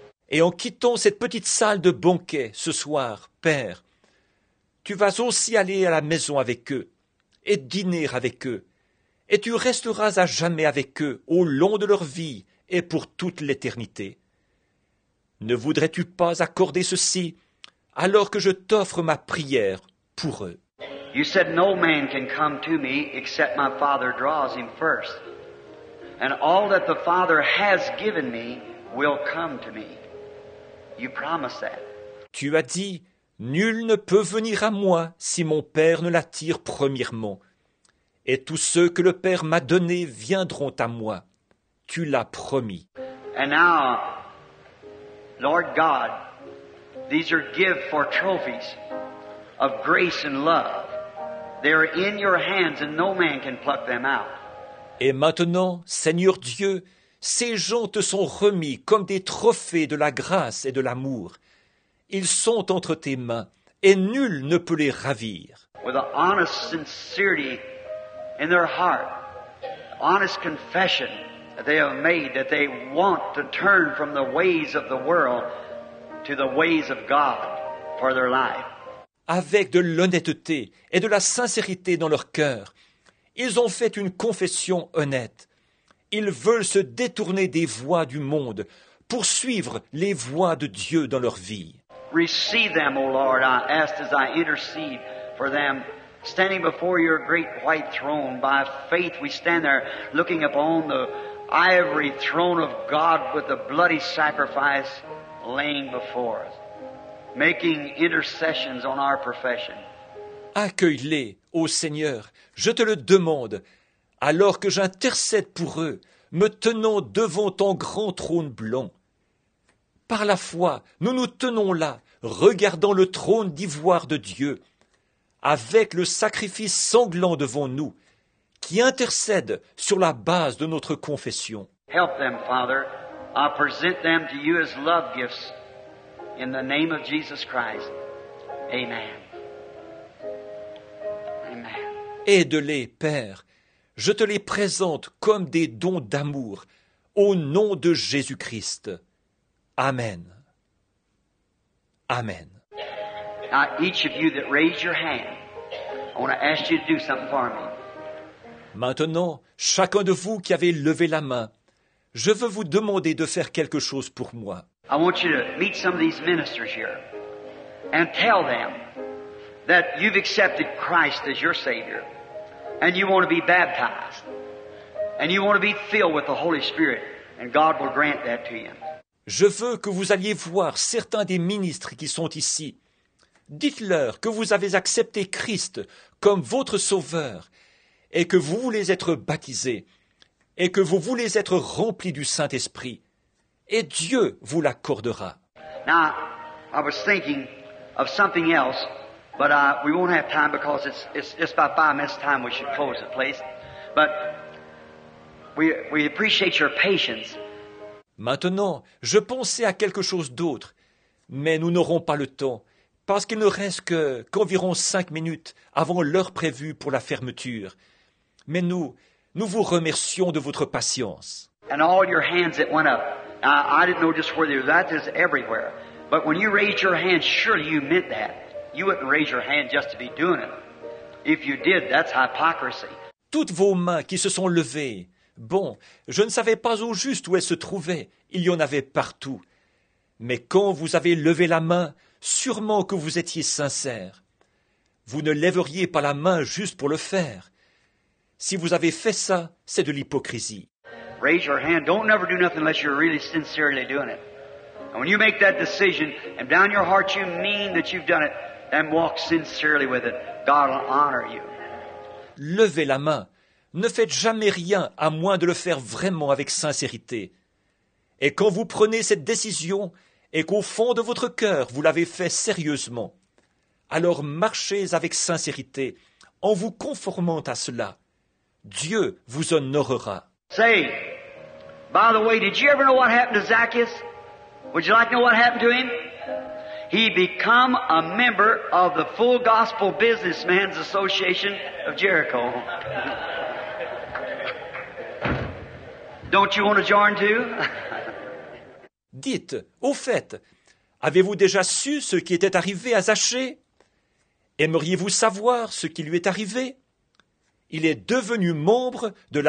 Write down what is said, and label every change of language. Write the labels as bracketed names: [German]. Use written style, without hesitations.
[French] Et en quittant cette petite salle de banquet ce soir, Père, tu vas aussi aller à la maison avec eux et dîner avec eux, et tu resteras à jamais avec eux au long de leur vie et pour toute l'éternité. Ne voudrais-tu pas accorder ceci alors que je t'offre ma prière pour eux? [English] You said no man can come to me except my Father draws him first. And all that the Father has given me will come to me. You promise that. [French] Tu as dit, nul ne peut venir à moi si mon Père ne l'attire premièrement. Et tous ceux que le Père m'a donnés viendront à moi. Tu l'as promis. [English] And now, Lord God, these are gifts for trophies of grace and love. They are in your hands and no man can pluck them out. [French] Et maintenant, Seigneur Dieu, ces gens te sont remis comme des trophées de la grâce et de l'amour. Ils sont entre tes mains et nul ne peut les ravir. [English] With an honest sincerity in their heart, honest confession that they have made that they want to turn from the ways of the world to the ways of God for their life. [French] Avec de l'honnêteté et de la sincérité dans leur cœur, ils ont fait une confession honnête. Ils veulent se détourner des voies du monde pour suivre les voies de Dieu dans leur vie. [English] Receive them, O Lord, I ask as I intercede for them, standing before your great white throne. By faith we stand there looking upon the ivory throne of God with the bloody sacrifice laying before us, making intercessions on our profession. [French] Accueille-les, ô Seigneur, je te le demande, alors que j'intercède pour eux, me tenant devant ton grand trône blanc. Par la foi, nous nous tenons là, regardant le trône d'ivoire de Dieu, avec le sacrifice sanglant devant nous, qui intercède sur la base de notre confession. [English] Help them, Father. I present them to you as love gifts in the name of Jesus Christ. Amen. [French] Aide-les, Père, je te les présente comme des dons d'amour, au nom de Jésus-Christ. Amen. Amen. [English] Now, each of you that raised your hand, I want to ask you to do something for me. [French] Maintenant, chacun de vous qui avez levé la main, je veux vous demander de faire quelque chose pour moi. [English] I want you to meet some of these ministers here and tell them that you've accepted Christ as your Savior. And you want to be baptized. And you want to be filled with the Holy Spirit. And God will grant that to you. [French] Je veux que vous alliez voir certains des ministres qui sont ici. Dites-leur que vous avez accepté Christ comme votre Sauveur et que vous voulez être baptisés et que vous voulez être remplis du Saint-Esprit. Et Dieu vous l'accordera. [English] Now, I was thinking of something else. But we won't have time because it's just about 5 minutes time we should close the place. But we appreciate your patience. [French] Maintenant, je pensais à quelque chose d'autre, mais nous n'aurons pas le temps parce qu'il ne reste qu'environ 5 minutes avant l'heure prévue pour la fermeture. Mais nous vous remercions de votre patience. [English] And all your hands that went up, I didn't know just where they were. That is everywhere. But when you raised your hands, surely you meant that. You wouldn't raise your hand just to be doing it. If you did, that's hypocrisy. [French] Toutes vos mains qui se sont levées. Bon, je ne savais pas au juste où elles se trouvaient. Il y en avait partout. Mais quand vous avez levé la main, sûrement que vous étiez sincère. Vous ne lèveriez pas la main juste pour le faire. Si vous avez fait ça, c'est de l'hypocrisie. [English] Raise your hand. Don't never do nothing unless you're really sincerely doing it. And when you make that decision, and down your heart you mean that you've done it, then walk sincerely with it. God will honor you. [French] Levez la main. Ne faites jamais rien à moins de le faire vraiment avec sincérité. Et quand vous prenez cette décision, et qu'au fond de votre cœur vous l'avez fait sérieusement, alors marchez avec sincérité, en vous conformant à cela. Dieu vous honorera. [English] Say, by the way, did you ever know what happened to Zacchaeus? Would you like to know what happened to him? He became a member of the Full Gospel Businessmen's Association of Jericho. Don't you want to join too? [French] Dites, au fait, avez-vous déjà su ce qui était arrivé à Zachée? Aimeriez-vous savoir ce qui lui est arrivé? Il est devenu membre de l'Association des hommes d'affaires du plein évangile de Jéricho.